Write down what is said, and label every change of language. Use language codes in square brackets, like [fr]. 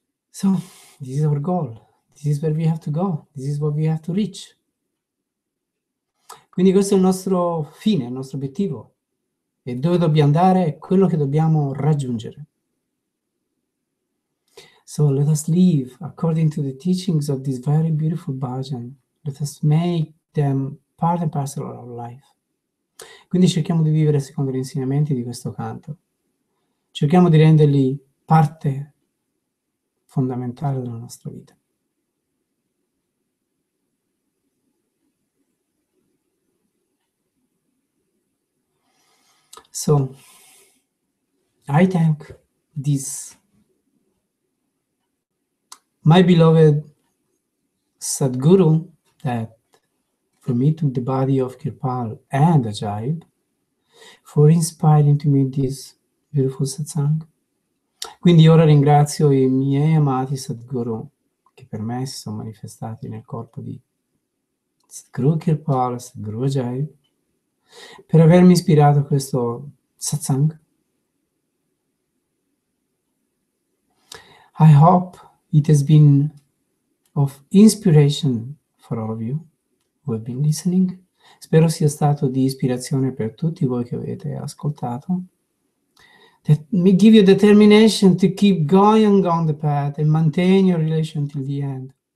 [en] So, this is our goal. This is where we have to go. This is what we have to reach. [it] Quindi questo è il nostro fine, il nostro obiettivo. E dove dobbiamo andare è quello che dobbiamo raggiungere. [en] So let us live according to the teachings of this very beautiful bhajan. Let us make them part and parcel of our life. [it] Quindi cerchiamo di vivere secondo gli insegnamenti di questo canto. Cerchiamo di renderli parte fondamentale della nostra vita. [en] So, I thank this, my beloved Sadguru, that for me took the body of Kirpal and Ajayib, for inspiring to me this beautiful satsang. [it] Quindi ora ringrazio i miei amati Sadguru, che per me si sono manifestati nel corpo di Sadguru Kirpal, Sadguru Ajayib, per avermi ispirato a questo satsang. [en] I hope it has been of inspiration for all of you who have been listening. [it] Spero sia stato di ispirazione per tutti voi che avete ascoltato. [en] That may give you determination to keep going on the path and maintain your relation till the end.